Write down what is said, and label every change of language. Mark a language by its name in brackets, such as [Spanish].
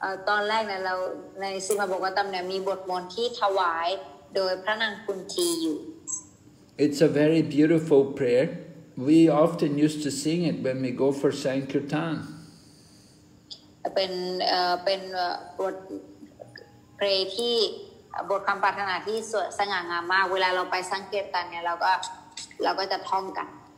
[Thai] ตอนแรกเนี่ยเราในสิมาบอกว่าตำเนี่ยมีบทมนต์ที่ถวายโดยพระนางกุนทีอยู่ [English] It's a very beautiful prayer. We often used to sing it when we go for Sankirtan. [Thai] เป็นบทเพลงที่บทคำปรารถนาที่สวยสง่างามมากเวลาเราไปสังเกตันเนี่ยเราก็จะท่องกัน